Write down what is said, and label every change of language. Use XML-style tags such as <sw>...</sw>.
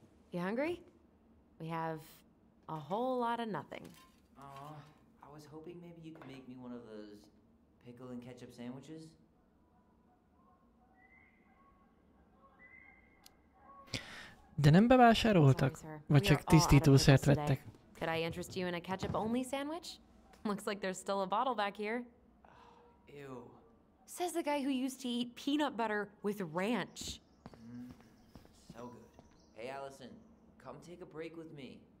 <en>You hungry? We have a whole lot of nothing. Aw, I was hoping maybe you could make me one of those pickle and ketchup sandwiches.</en> <hu>De nem bevásároltak, vagy csak tisztítószert vettek.</hu> <en>Could I interest you in a ketchup only sandwich? Looks like there's still a bottle back here. Ew. Says the guy who used to eat peanut butter with ranch. So good. Hey Allison, come take a break with me.</en>